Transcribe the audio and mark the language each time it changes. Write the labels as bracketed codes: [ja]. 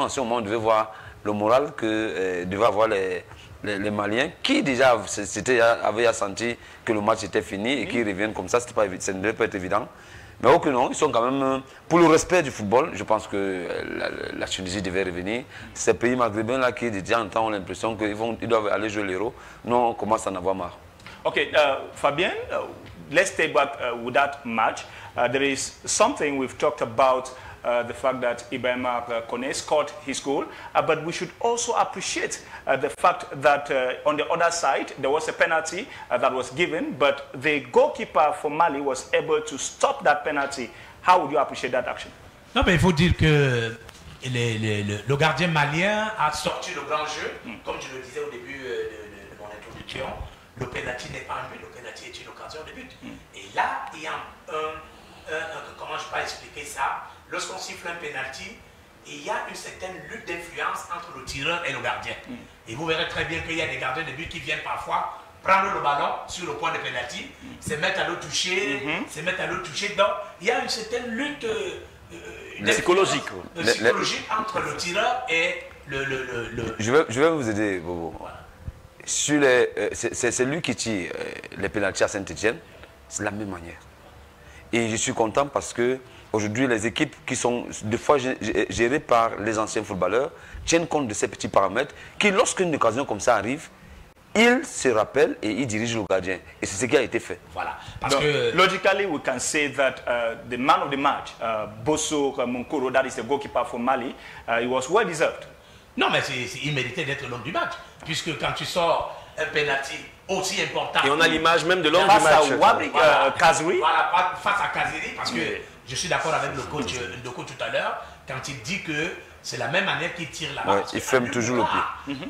[fr] En ce moment, on devait voir le moral que devaient avoir les Maliens qui déjà avaient senti que le match était fini et qu'ils reviennent comme ça. C'était pas, ça ne devait pas être évident. Mais aucun non, ils sont quand même, pour le respect du football, je pense que la Tunisie devait revenir. Ces pays maghrébins-là qui, déjà en temps, ont l'impression qu'ils doivent aller jouer l'Euro, nous, on commence à en avoir marre. [en] Ok, Fabien, let's stay back with that match. There is something we've talked about, the fact that Ibrahim Koné scored his goal, but we should also appreciate the fact that on the other side, there was a penalty that was given, but the goalkeeper for Mali was able to stop that penalty. How would you appreciate that action? [fr] Non, mais il faut dire que le gardien malien a sorti le grand jeu, comme je le disais au début de mon introduction. Le penalty n'est pas un but, le penalty est une occasion de but. Et là, il y a comment je peux expliquer ça? Lorsqu'on siffle un pénalty, il y a une certaine lutte d'influence entre le tireur et le gardien. Et vous verrez très bien qu'il y a des gardiens de but qui viennent parfois prendre le ballon sur le point de pénalty, se mettre à le toucher, Donc, il y a une certaine lutte psychologique entre le tireur et le... Je vais vous aider, Bobo. Voilà. C'est lui qui tire les pénalty à Saint-Etienne. C'est la même manière. Et je suis content parce que aujourd'hui, les équipes qui sont des fois gérées par les anciens footballeurs tiennent compte de ces petits paramètres qui, lorsqu'une occasion comme ça arrive, il se rappelle et il dirige le gardien. Et c'est ce qui a été fait. Voilà. Parce donc, que [en] logically, we can say that the man of the match, Bosso Mankoro, that is the goalkeeper for Mali, he was well deserved. [fr] Non, mais c'est, il méritait d'être l'homme du match. Puisque quand tu sors un penalty aussi important. Et on a l'image même de l'homme du match. Face à Wabrik, Kazri. Voilà, face à Kazri, parce que je suis d'accord avec le coach tout à l'heure, quand il dit que c'est la même manière qu'il tire la balle. Il ferme toujours le pied.